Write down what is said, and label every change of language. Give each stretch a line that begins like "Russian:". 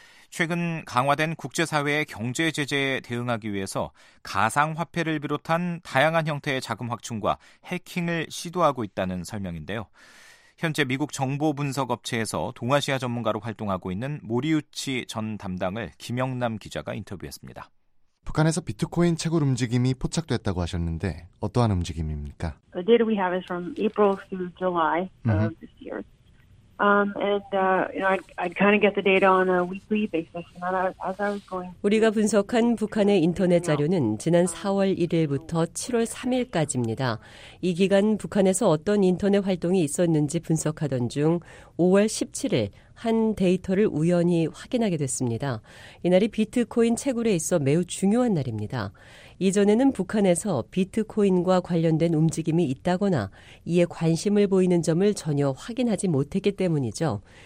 Korean: 최근 강화된 국제사회의 경제 제재에 대응하기 위해서 가상화폐를 비롯한 다양한 형태의 자금 확충과 해킹을 시도하고 있다는 설명인데요. 현재 미국 정보분석업체에서 동아시아 전문가로 활동하고 있는 모리우치 전 담당을 김영남 기자가 인터뷰했습니다. 북한에서 비트코인 채굴 움직임이 포착됐다고 하셨는데 어떠한 움직임입니까?
English: The data we have is from April through July of this year. And I'd kind of get the data on a weekly basis.
Korean: 우리가 분석한 북한의 인터넷 자료는 지난 4월 1일부터 7월 3일까지입니다. 이 기간 북한에서 어떤 인터넷 활동이 있었는지 분석하던 중 5월 17일 한 데이터를 우연히 확인하게 됐습니다. 이날이 비트코인 채굴에 있어 매우 중요한 날입니다. 이전에는 북한에서 비트코인과 관련된 움직임이 있다거나 이에 관심을 보이는 점을 전혀 확인하지 못했기 때문이죠.